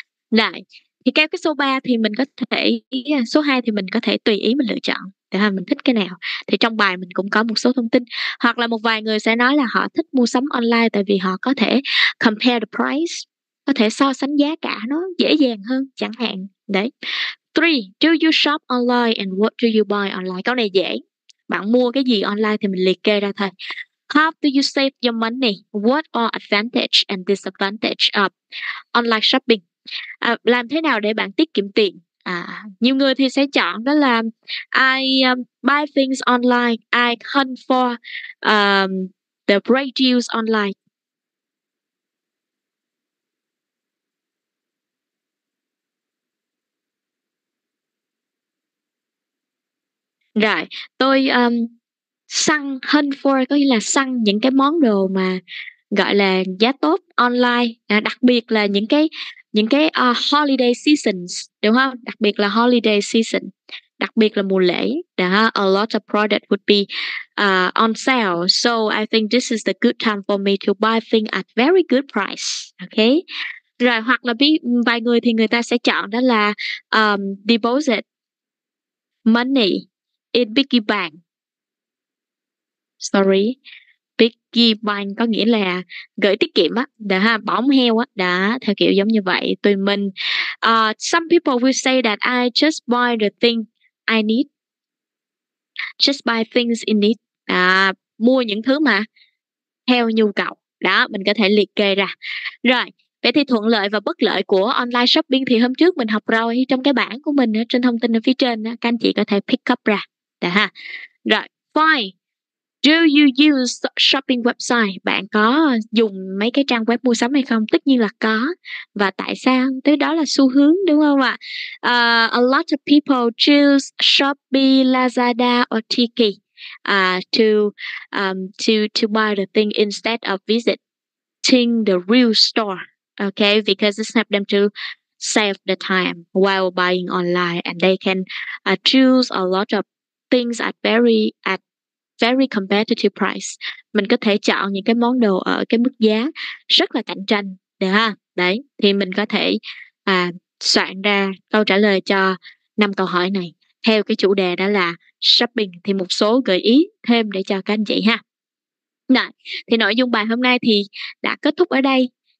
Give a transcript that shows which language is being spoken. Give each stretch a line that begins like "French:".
Vietnamese: Này, thì cái số 3 thì mình có thể, số 2 thì mình có thể tùy ý mình lựa chọn để mình thích cái nào. Thì trong bài mình cũng có một số thông tin, hoặc là một vài người sẽ nói là họ thích mua sắm online tại vì họ có thể
English: compare the price,
Vietnamese: có thể so sánh giá cả nó dễ dàng hơn chẳng hạn. Đấy.
English: 3, do you shop online and what do you buy online?
Vietnamese: Câu này dễ. Bạn mua cái gì online thì mình liệt kê ra thôi.
English: How do you save your money? What are advantage and disadvantage of online shopping?
Vietnamese: Làm thế nào để bạn tiết kiệm tiền? Nhiều người thì sẽ chọn đó là
English: I buy things online, I hunt for the great deals online.
Vietnamese: Rồi, tôi hunt for có nghĩa là săn những cái món đồ mà gọi là giá tốt online, đặc biệt là những cái holiday seasons, đúng không? Đặc biệt là holiday season, đặc biệt là mùa lễ, đúng không?
English: A lot of product would be on sale. So I think this is the good time for me to buy things at very good price. Okay?
Vietnamese: Rồi, hoặc là vài người thì người ta sẽ chọn đó là
English: deposit money in piggy bank. Sorry.
Vietnamese: Piggy bank có nghĩa là gửi tiết kiệm á, đã ha, bỏ ống heo á, đã theo kiểu giống như vậy. Tụi mình,
English: some people will say that I just buy the thing I need. just buy things in need.
Vietnamese: À, mua những thứ mà theo nhu cầu. Đó, mình có thể liệt kê ra. Rồi, vậy thì thuận lợi và bất lợi của online shopping thì hôm trước mình học rồi trong cái bảng của mình trên thông tin ở phía trên, các anh chị có thể pick up ra. Đó ha. Rồi, fine.
English: Do you use shopping website?
Vietnamese: Bạn có dùng mấy cái trang web mua sắm hay không? Tất nhiên là có. Và tại sao? Thế đó là xu hướng, đúng không ạ?
English: A lot of people choose Shopee, Lazada or Tiki to buy the thing instead of visiting the real store. Okay, because this helps them to save the time while buying online, and they can choose a lot of things at very competitive price.
Vietnamese: Mình có thể chọn những cái món đồ ở cái mức giá rất là cạnh tranh, được ha? Đấy, thì mình có thể soạn ra câu trả lời cho 5 câu hỏi này theo cái chủ đề đó là shopping. Thì một số gợi ý thêm để cho các anh chị ha. Này, thì nội dung bài hôm nay thì đã kết thúc ở đây.